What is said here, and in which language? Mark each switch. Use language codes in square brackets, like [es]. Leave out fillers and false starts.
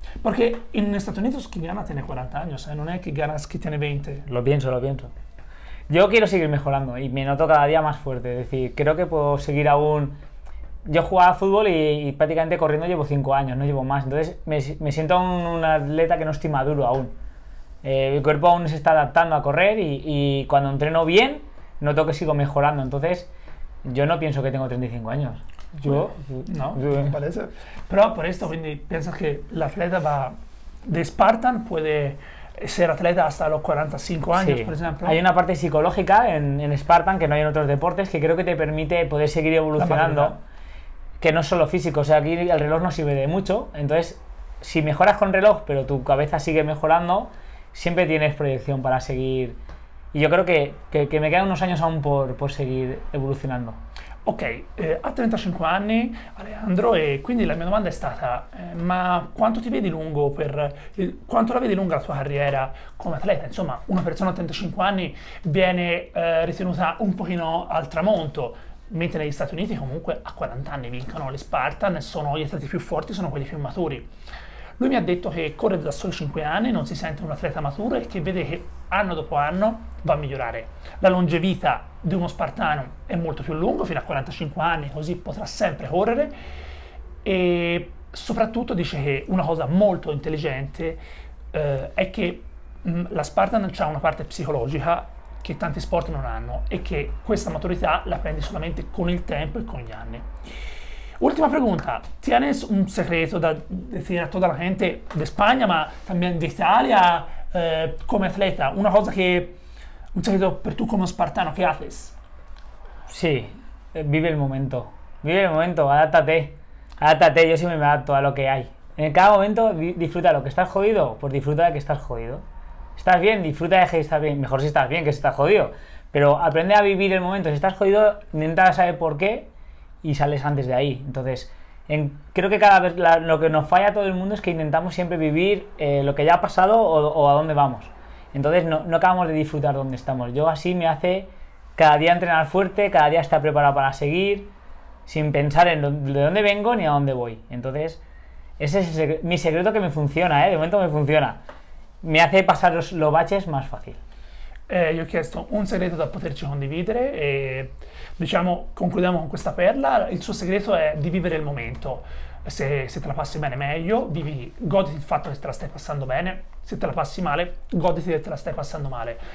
[it] Perché in Stati Uniti chi gana tiene 40 anni, non è che gana chi tiene 20. [es] Lo pienso. Io quiero seguir mejorando e me noto cada día más fuerte. Es decir, creo que puedo seguir aún. Yo jugaba fútbol y prácticamente corriendo llevo 5 años, no llevo más. Entonces me siento un atleta que no estoy maduro aún. Mi cuerpo aún se está adaptando a correr y cuando entreno bien. Noto que sigo mejorando, entonces yo no pienso que tengo 35 años. Yo, no, yo, me parece. Pero por esto, quindi, ¿piensas que el atleta va de Spartan puede ser atleta hasta los 45 años, sí, por ejemplo? Hay una parte psicológica en Spartan que no hay en otros deportes que creo que te permite poder seguir evolucionando, que no es solo físico, o sea, aquí el reloj no sirve de mucho. Entonces, si mejoras con reloj, pero tu cabeza sigue mejorando, siempre tienes proyección para seguir. Y yo creo que me quedan unos años aún por seguir evolucionando. [it] Ok, a 35 años, Alejandro, y quindi la mi domanda è stata, ma quanto ti vedi lungo per quanto la vedi lunga la tua carriera come atleta? Insomma, una persona a 35 anni viene ritenuta un pochino al tramonto, mentre negli Stati Uniti comunque a 40 anni vincono le Spartan e sono gli atleti più forti, sono quelli più maturi. Lui mi ha detto che corre da soli 5 anni, non si sente un atleta maturo e che vede che anno dopo anno va a migliorare. La longevità di uno spartano è molto più lunga, fino a 45 anni, così potrà sempre correre. E soprattutto dice che una cosa molto intelligente è che la Spartan ha una parte psicologica che tanti sport non hanno e che questa maturità la prendi solamente con il tempo e con gli anni. [es] Última pregunta: ¿tienes un secreto da decir a toda la gente de España, ma también de Italia, como atleta? Una cosa que. Un secreto per tú como espartano, ¿qué haces? Sí, vive el momento. Vive el momento, adáptate. Adáptate, yo siempre me adapto a lo que hay. En cada momento disfruta lo que estás jodido, pues disfruta de que estás jodido. Estás bien, disfruta de que estás bien. Mejor si estás bien, que si estás jodido. Pero aprende a vivir el momento. Si estás jodido, intenta saber por qué y sales antes de ahí. Entonces, creo que cada vez lo que nos falla a todo el mundo es que intentamos siempre vivir lo que ya ha pasado o a dónde vamos. Entonces, no acabamos de disfrutar donde estamos. Yo así me hace cada día entrenar fuerte, cada día estar preparado para seguir, sin pensar en de dónde vengo ni a dónde voy. Entonces, ese es mi secreto que me funciona, ¿eh? De momento me funciona. [it] Mi hace passare lo baches più facile. Io ho chiesto un segreto da poterci condividere e diciamo concludiamo con questa perla. Il suo segreto è di vivere il momento. Se te la passi bene, meglio. Vivi, goditi il fatto che te la stai passando bene. Se te la passi male, goditi che te la stai passando male.